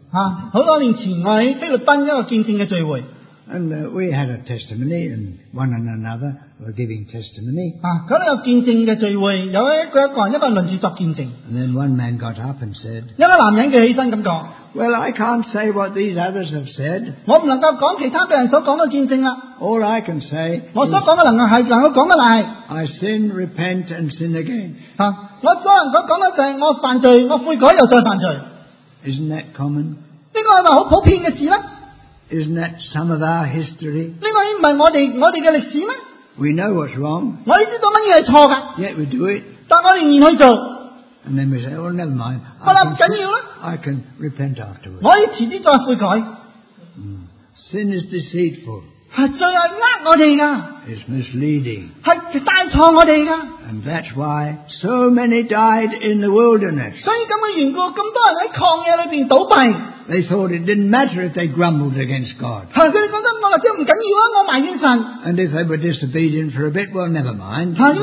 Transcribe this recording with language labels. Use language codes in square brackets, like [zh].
[zh] 很多年前我在菲律賓一個見證的聚會。 [en] And we had a testimony, and one and another were giving testimony. [zh] 那裡有見證的聚會,有一個人輪著作見證。 [en] And then one man got up and said, [zh] 一個男人站起來這樣說, [en] Well, I can't say what these others have said. [zh] 我不能夠說其他人所說的見證了。 [en] All I can say, [zh] 我所說的能夠說的是, [en] I sin, repent, and sin again. [zh] 我所說的就是我犯罪,我悔改又再犯罪。 [en] Isn't that common? [zh] 這是不是很普遍的事呢? [en] Isn't that some of our history? [zh] 這不是我們的歷史嗎? [en] We know what's wrong. [zh] 我們知道什麼是錯的, [en] yet we do it. [zh] 但我們仍然去做, [en] and then we say, well, never mind. [zh] 不要緊了, [en] I can repent afterwards. [zh] 我可以遲些再悔改。 [en] Sin is deceitful. [zh] 是罪是騙我們的, [en] it's misleading. [zh] 是帶錯我們的, [en] and that's why so many died in the wilderness. [zh] 所以這樣的緣故,這麼多人在曠野裡面倒閉。 [en] They thought it didn't matter if they grumbled against God. And if they were disobedient for a bit, well, never mind.